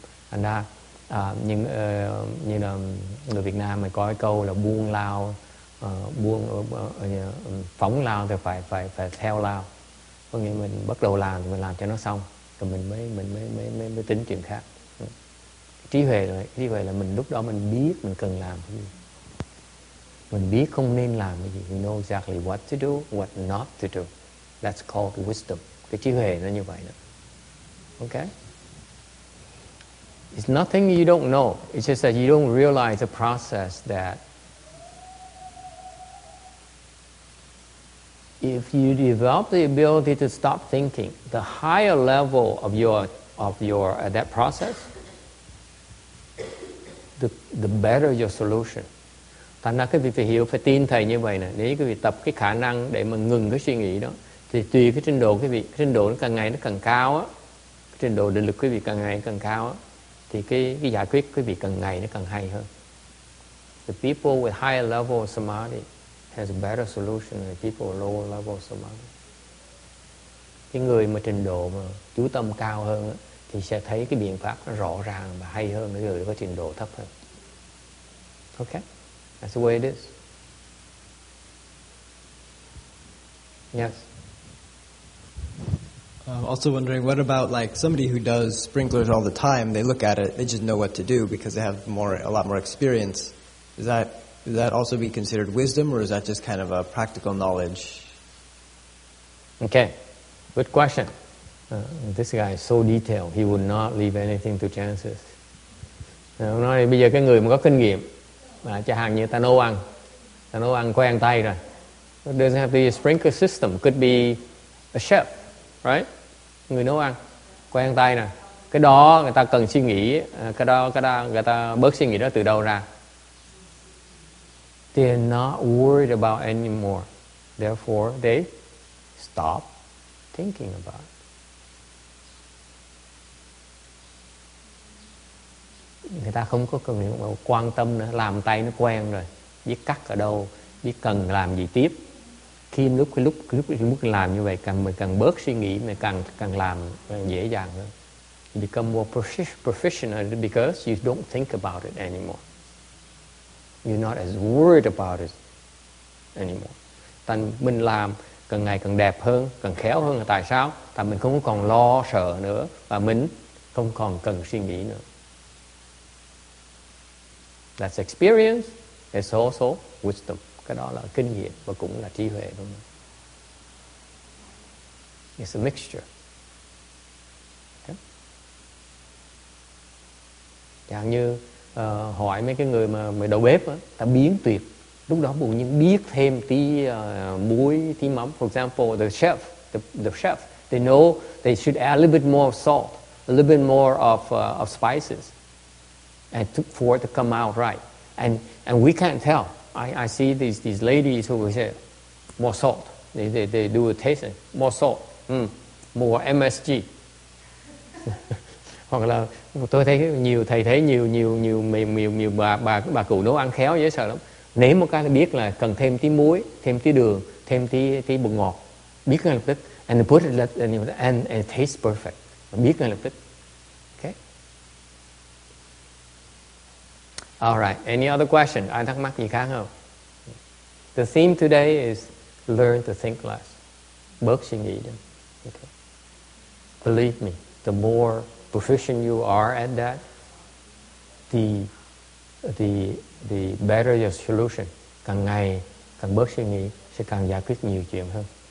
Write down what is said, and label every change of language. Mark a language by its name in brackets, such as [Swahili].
[Vietnamese] And nhưng như là người Việt Nam mình có cái câu là buông lao buông phóng lao thì phải theo lao, có nghĩa mình bắt đầu làm thì mình làm cho nó xong rồi mình mới tính chuyện khác. Trí huệ là mình lúc đó mình biết mình cần làm cái gì, mình biết không nên làm cái gì. [English] You know exactly what to do, what not to do. That's called wisdom. [Vietnamese] Cái trí huệ nó như vậy đó. Okay. [English] It's nothing you don't know. It's just that you don't realize the process that if you develop the ability to stop thinking, the higher level of your that process, the better your solution. [Vietnamese] Thành ra cái việc phải hiểu, phải tin thầy như vậy nè. Nếu quý vị tập cái khả năng để mà ngừng cái suy nghĩ đó, thì tùy cái trình độ quý vị, cái trình độ nó càng ngày nó càng cao á, cái trình độ định lực quý vị càng ngày càng cao á, thì cái giải quyết quý vị càng ngày nó càng hay hơn. [English] The people with higher level of samadhi has a better solution than the people with lower level of samadhi. [Vietnamese] Cái người mà trình độ mà chú tâm cao hơn á, thì sẽ thấy cái biện pháp nó rõ ràng và hay hơn cái người có trình độ thấp hơn. [English] Okay? That's the way it is. Yes. I'm also wondering, what about like somebody who does sprinklers all the time? They look at it, they just know what to do because they have a lot more experience. Does that also be considered wisdom, or is that just kind of a practical knowledge? Okay, good question. This guy is so detailed; he would not leave anything to chances. [Vietnamese] Nói bây giờ cái người mà có kinh nghiệm, chẳng hạn như ta nấu ăn quen tay rồi. [English] It doesn't have to be a sprinkler system. Could be a chef. Right? [Vietnamese] Người nấu ăn quen tay nè. Cái đó người ta cần suy nghĩ, cái đó người ta bớt suy nghĩ đó từ đâu ra. [English] They're not worried about anymore. Therefore, they stop thinking about it. [Vietnamese] Người ta không có cần quan tâm nữa, làm tay nó quen rồi, biết cắt ở đâu, biết cần làm gì tiếp. Khi lúc làm như vậy, càng bớt suy nghĩ, mình càng làm dễ dàng hơn. [English] You become more proficient because you don't think about it anymore. You're not as worried about it anymore. [Vietnamese] Tại mình làm càng ngày càng đẹp hơn, càng khéo hơn. Tại sao? Tại mình không còn lo sợ nữa và mình không còn cần suy nghĩ nữa. [English] That's experience. It's also wisdom. [Vietnamese] Cái đó là kinh nghiệm và cũng là trí huệ, đúng không? [English] It's a mixture. [Vietnamese] Okay. Chẳng như hỏi mấy cái người mà đầu bếp á, ta biến tuyệt. Lúc đó bỗng nhiên biết thêm tí muối, tí mắm. [English] For example, the chef, they know they should add a little bit more of salt, a little bit more of spices, and for it to come out right. And we can't tell. I see these ladies who will say, more salt. They do a tasting, more salt, more MSG. [Vietnamese] Hoặc là tôi thấy nhiều thầy thấy nhiều bà cụ nấu ăn khéo dễ sợ lắm. Nếm một cái là biết là cần thêm tí muối, thêm tí đường, thêm tí bột ngọt. Biết ngay lập tức. [English] And put it and it tastes perfect. [Vietnamese] Biết ngay lập tức. [English] All right, any other question? [Vietnamese] Ai thắc mắc gì khác không? [English] The theme today is learn to think less. [Vietnamese] Bớt suy nghĩ đi. [English] Okay. Believe me, the more proficient you are at that, the better your solution. [Vietnamese] Càng ngày càng bớt suy nghĩ sẽ càng giải quyết nhiều chuyện hơn.